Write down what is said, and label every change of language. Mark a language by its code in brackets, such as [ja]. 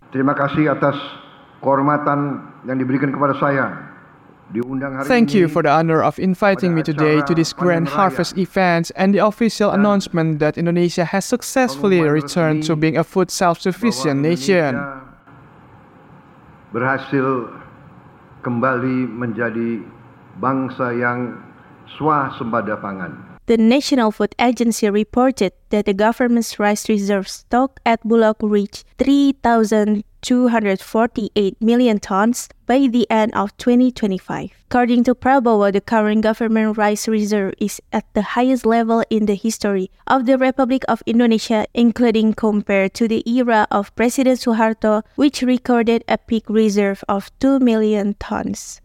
[id] Terima kasih atas kehormatan yang diberikan kepada saya. [en] Thank you for the honor of inviting me today to this grand harvest event and the official announcement that Indonesia has successfully returned to being a food self-sufficient nation. [id] Berhasil kembali menjadi bangsa yang swasembada pangan. [en] The National Food Agency reported that the government's rice reserve stock at Bulog reached 3,248 million tons by the end of 2025. According to Prabowo, the current government rice reserve is at the highest level in the history of the Republic of Indonesia, including compared to the era of President Suharto, which recorded a peak reserve of 2 million tons.